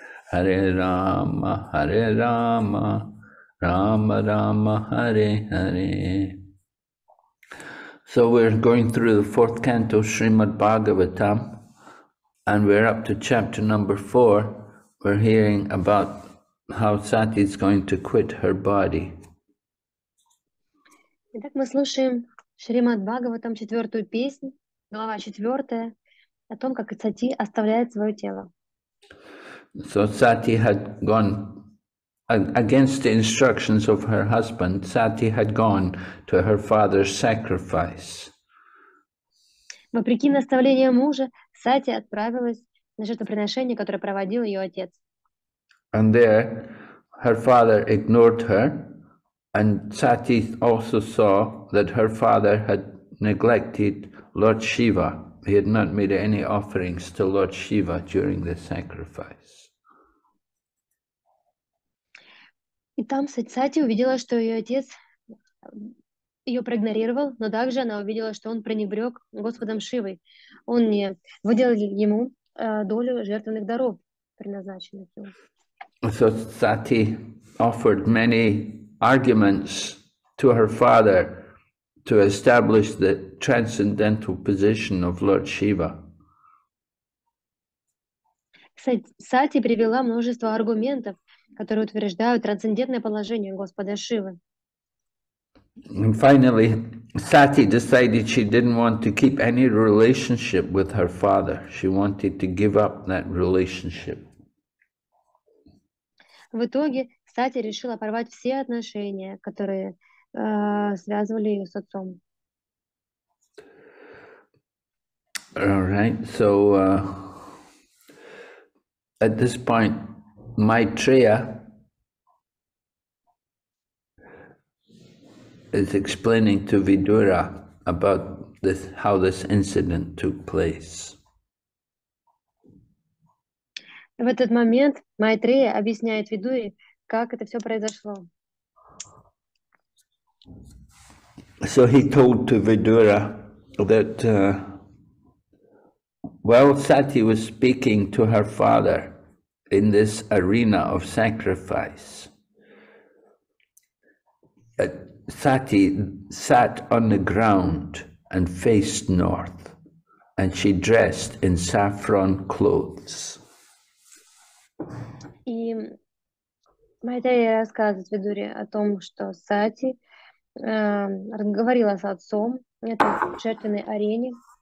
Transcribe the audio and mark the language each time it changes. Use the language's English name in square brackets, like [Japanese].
[Sanskrit] Hare Rama, Hare Rama, Rama Rama, Hare Hare. [English] So we're going through the fourth canto of Srimad Bhagavatam, and we're up to chapter number four. We're hearing about how Sati is going to quit her body. [Russian] Итак, мы слушаем Шримад Бхагаватам, четвертую песню, глава четвертая, о том, как Сати оставляет свое тело. [English] So Sati had gone against the instructions of her husband. Sati had gone to her father's sacrifice. [Russian] Вопреки наставлениям мужа, Сати отправилась на жертвоприношение, которое проводил ее отец. [English] And there, her father ignored her, and Sati also saw that her father had neglected Lord Shiva. He had not made any offerings to Lord Shiva during the sacrifice. [Russian] И там Сати увидела, что ее отец ее проигнорировал, но также она увидела, что он пренебрег Господом Шивой. Он не выделил ему долю жертвенных даров, предназначенных ему. [English] So Sati offered many arguments to her father to establish the transcendental position of Lord Shiva. [Russian] Сати привела множество аргументов, которые утверждают трансцендентное положение Господа Шивы. [English] And finally, Sati decided she didn't want to keep any relationship with her father. She wanted to give up that relationship. [Russian] В итоге Сати решила порвать все отношения, которые связывали ее с отцом. [English] All right. So at this point, Maitreya is explaining to Vidura about this, how this incident took place. [Russian] В этот момент Майтрея объясняет Видуре, как это все произошло. [English] So he told to Vidura that while Sati was speaking to her father in this arena of sacrifice, Sati sat on the ground and faced north, and she dressed in saffron clothes. [Russian] И Майтрея рассказывает Видуре о том, что Сати разговаривала с отцом на этой жертвенной арене.